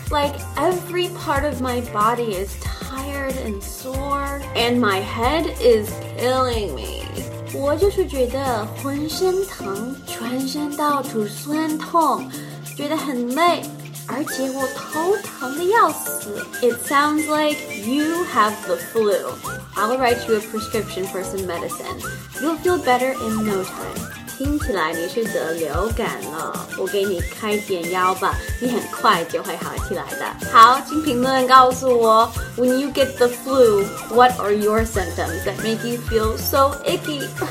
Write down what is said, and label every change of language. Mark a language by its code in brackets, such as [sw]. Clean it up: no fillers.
[en] Like every part of my body is tired and sore. And my head is killing me. [zh] 我就是觉得浑身疼，全身到处酸痛，觉得很累，而且我头疼得要死。 [en] It sounds like you have the flu. I'll write you a prescription for some medicine. You'll feel better in no time. [zh] 听起来你是得流感了，我给你开点药吧，你很快就会好起来的。好，请评论告诉我 [en] ，When you get the flu, what are your symptoms that make you feel so icky?